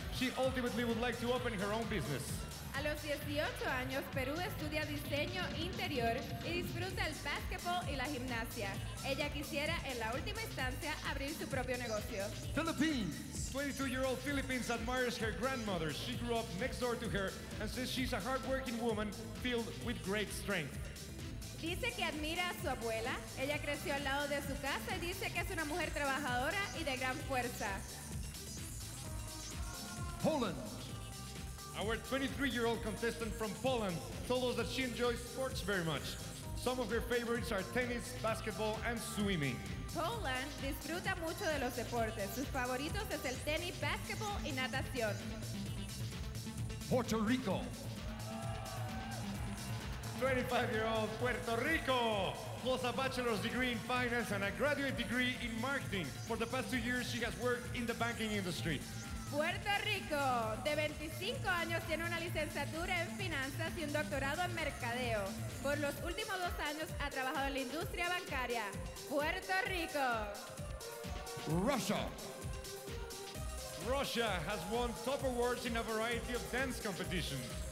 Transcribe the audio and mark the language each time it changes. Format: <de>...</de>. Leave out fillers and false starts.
<en>She ultimately would like to open her own business.</en> <es>A los 18 años, Peru estudia diseño interior y disfruta el básquetbol y la gimnasia. Ella quisiera, en la última instancia, abrir su propio negocio.</es> <en>Philippines. 22-year-old Philippines admires her grandmother. She grew up next door to her and says she's a hardworking woman filled with great strength.</en> <es>Dice que admira a su abuela. Ella creció al lado de su casa y dice que es una mujer trabajadora y de gran fuerza.</es> <en>Poland. Our 23-year-old contestant from Poland told us that she enjoys sports very much. Some of her favorites are tennis, basketball, and swimming.</en> <es>Poland disfruta mucho de los deportes. Sus favoritos es el tenis, basketball, y natación.</es> <en>Puerto Rico. 25-year-old Puerto Rico holds a bachelor's degree in finance and a graduate degree in marketing. For the past 2 years, she has worked in the banking industry.</en> <es>Puerto Rico, de 25 años, tiene una licenciatura en finanzas y un doctorado en mercadeo. Por los últimos 2 años ha trabajado en la industria bancaria. Puerto Rico.</es> <en>Russia. Russia has won top awards in a variety of dance competitions.</en>